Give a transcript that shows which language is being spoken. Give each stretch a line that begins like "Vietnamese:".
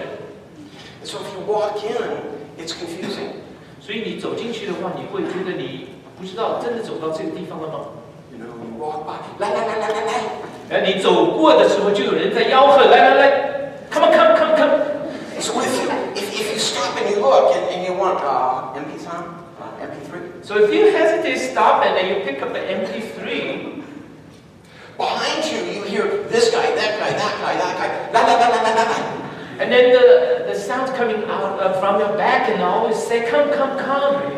English: if you walk in, it's confusing.
Chinese: 所以你走进去的话，你会觉得你不知道真的走到这个地方了吗？You
English: know, you walk by,
Chinese: 来来来来来来。哎，你走过的时候就有人在吆喝，来来来 ，
English: come on, come, come, come. It's with you. If you stop and you look and you want MP3, MP3. So if you hesitate, stop and then you pick up the MP3. Behind you, you hear this guy, that guy, that guy, that guy, la la la la la la. And then the sound coming out from your back and always say, come, come, come.